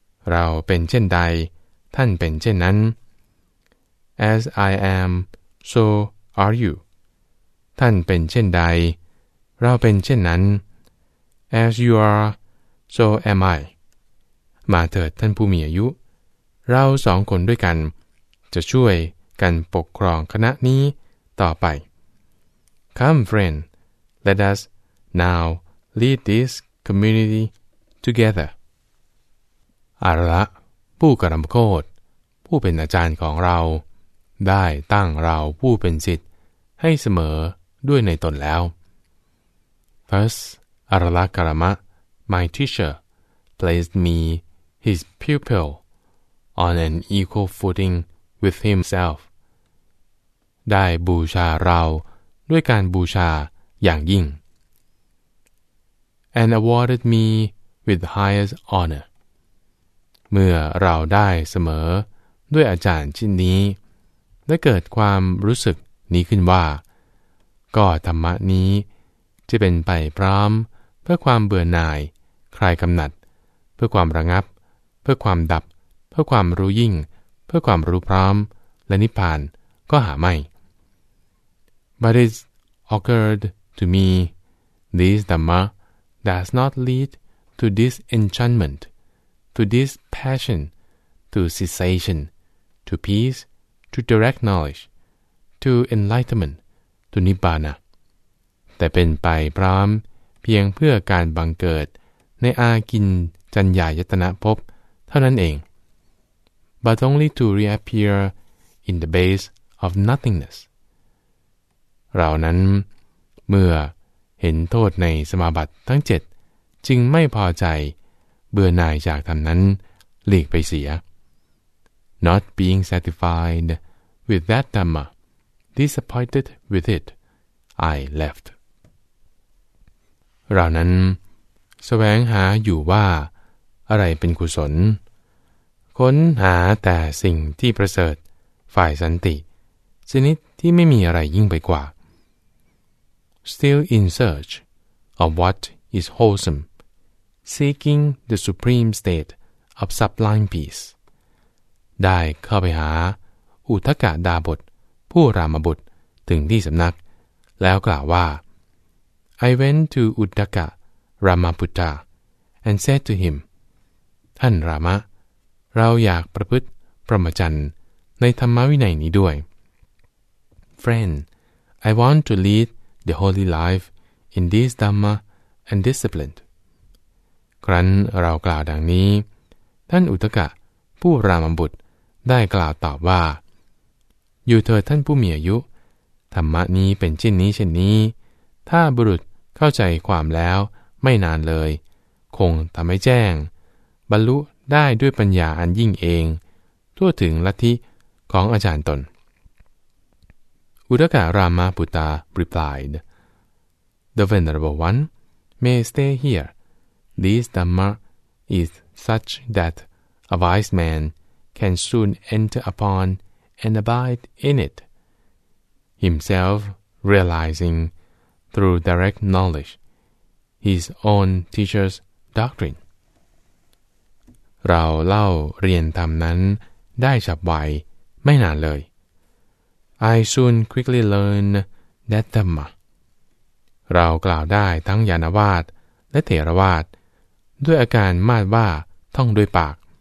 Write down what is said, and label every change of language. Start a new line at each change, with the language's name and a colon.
Thai: เราเป็นเช่นใดท่านเป็นเช่นนั้น
English: As I am so are you
Thai: ท่านเป็นเช่นใดเราเป็นเช่นนั้น
English: As you are so am I
Thai: มาเถิดท่านผู้มีอายุเราสองคนด้วยกันจะช่วยกันปกครองคณะนี้ต่อไป
English: Come friend let us now lead this community together
Thai: อาระผู้กรรมโคตรผู้เป็นอาจารย์ของเราได้ตั้งเราผู้เป็นศิษย์ให้เสมอด้วยในตนแล้ว
English: First Arala Karma my teacher placed me his pupil on an equal footing with himself
Thai: ได้บูชาเราด้วยการบูชาอย่างยิ่ง
English: And awarded me with highest honor
Thai: เมื่อเราได้เสมอด้วยอาจารย์ชิ้นนี้ได้เกิดความรู้สึกนี้ขึ้นว่าก็ธรรมะนี้จะเป็นไปพร้อมเพื่อความเบื่อหน่ายคลายกำหนัดเพื่อความระงับเพื่อความดับเพื่อความรู้ยิ่งเพื่อความรู้พร้อมและนิพพานก็หาไม่
English: But it occurred to me this Dhamma does not lead to this enchantmentTo this passion, to cessation, to peace, to direct knowledge, to enlightenment, to nibbana.
Thai: แต่เป็นไปพร้อมเพียงเพื่อการบังเกิดในอากินจัญญายตนะภพเท่านั้นเอง
English: But only to reappear in the base of nothingness.
Thai: เรานั้นเมื่อเห็นโทษในสมาบัติทั้งเจ็ดจึงไม่พอใจเบื่อหน่ายจากธรรมนั้นหลีกไปเสีย
English: Not being satisfied with that Dhamma, disappointed with it, I left.
Thai: เรานั้นแสวงหาอยู่ว่าอะไรเป็นกุศลค้นหาแต่สิ่งที่ประเสริฐฝ่ายสันติชนิดที่ไม่มีอะไรยิ่งไปกว่า
English: Still in search of what is wholesomeseeking the supreme state of sublime peace
Thai: ได้เข้าไปหาอุทกดาบทผู้รามบุตรถึงที่สำนักแล้วกล่าวว่า
English: I went to Uttaka Ramaputta and said to him
Thai: ท่านรามะเราอยากประพฤติพรหมจรรย์ในธรรมวินัยนี้ด้วย
English: Friend I want to lead the holy life in this Dhamma and discipline
Thai: ครั้นเรากล่าวดังนี้ท่านอุตกะผู้รามบุตรได้กล่าวตอบว่าอยู่เถิดท่านผู้มีอายุธรรมะนี้เป็นเช่นนี้เช่นนี้ถ้าบุรุษเข้าใจความแล้วไม่นานเลยคงทำให้แจ้งบรรลุได้ด้วยปัญญาอันยิ่งเองทั่วถึงลัทธิของอาจารย์ตน
English: อุตกะรามาปุตตา replied The venerable one may stay hereThis Dhamma is such that a wise man can soon enter upon and abide in it, himself realizing through direct knowledge his own teacher's doctrine.
Thai: เราเล่าเรียนธรรมนั้นได้ฉับไวไม่นานเลย
English: I soon quickly learn that Dhamma
Thai: เรากล่าวได้ทั้งญาณวาทและเถรวาทด้วยอาการมาดว่าท่องด้วยปาก